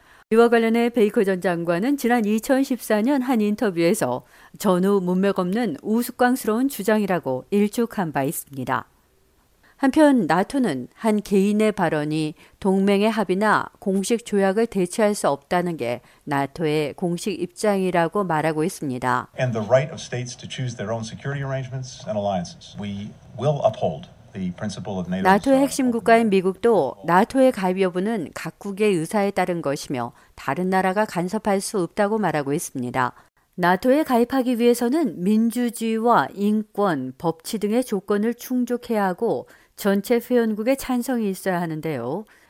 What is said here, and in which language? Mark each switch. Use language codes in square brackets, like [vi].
[ko] 이와 관련해 베이커 전 장관은 지난 2014년 한 인터뷰에서 전후 문맥 없는 우스꽝스러운 주장이라고 일축한 바 있습니다. 한편 나토는 한 개인의 발언이 동맹의 합의나 공식 조약을 대체할 수 없다는 게 나토의 공식 입장이라고 말하고 있습니다. [en] And the right of states to choose their own security arrangements and alliances. We will uphold the principle of NATO. [ko] 나토의 핵심 국가인 미국도 나토의 가입 여부는 각국의 의사에 따른 것이며 다른 나라가 간섭할 수 없다고 말하고 있습니다. 나토에 가입하기 위해서는 민주주의와 인권, 법치 등의 조건을 충족해야 하고 전체 회원국의 찬성이 있어야 하는데요.